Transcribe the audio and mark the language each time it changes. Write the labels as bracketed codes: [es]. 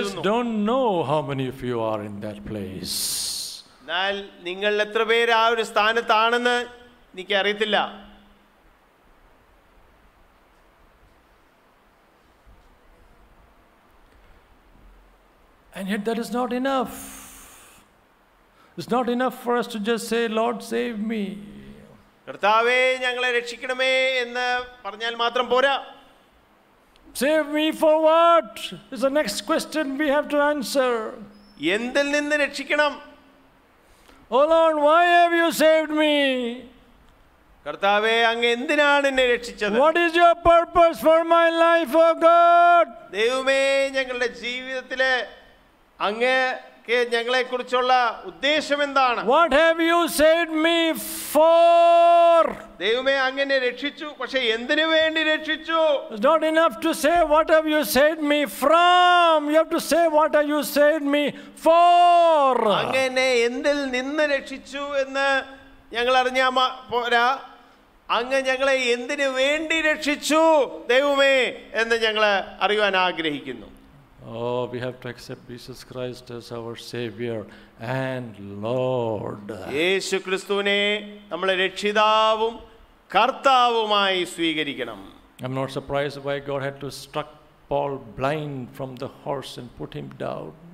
[en] I just don't know how many of you are in that place. [ml] എന്നാൽ നിങ്ങൾ എത്ര പേർ ആ ഒരു സ്ഥാനത്താണെന്ന് എനിക്ക് അറിയത്തില്ല. [en] And yet that is not enough. It's not enough for us to just say, Lord, save me. [ml] കർത്താവെ ഞങ്ങളെ രക്ഷിക്കണമേ എന്ന് പറഞ്ഞാൽ മാത്രം പോരാ. [en] Save me for what? Is the next question we have to answer. [ml] എന്തിൽ നിന്ന് രക്ഷിക്കണം? [en] Oh Lord, why have you saved me? [ml] കർത്താവെ അങ്ങ് എന്തിനാണ് എന്നെ രക്ഷിച്ചത്? [en] What is your purpose for my life, oh God? [ml] ദൈവമേ ഞങ്ങളുടെ ജീവിതത്തിലെ അങ്ങേക്ക് ഞങ്ങളെ കുറിച്ചുള്ള ഉദ്ദേശം എന്താണ്? [en] What have you saved me for? [ml] ദൈവമേ അങ്ങനെ രക്ഷിച്ചു, പക്ഷേ എന്തിനു വേണ്ടി രക്ഷിച്ചു? [en] It's not enough to say what have you saved me from. You have to say what have you saved me for. [ml] അങ്ങനെ എന്തിൽ നിന്ന് രക്ഷിച്ചു എന്ന് ഞങ്ങൾ അറിഞ്ഞാ പോരാ, അങ്ങ് ഞങ്ങളെ എന്തിനു വേണ്ടി രക്ഷിച്ചു ദൈവമേ എന്ന് ഞങ്ങൾ അറിയുവാൻ ആഗ്രഹിക്കുന്നു. [en] Oh, we have to accept Jesus Christ as our Savior and Lord. [ml] യേശു ക്രിസ്തുവിനെ നമ്മളെ രക്ഷിതാവും കർത്താവുമായി സ്വീകരിക്കണം. [en] I'm not surprised why God had to struck Paul blind from the horse and put him down.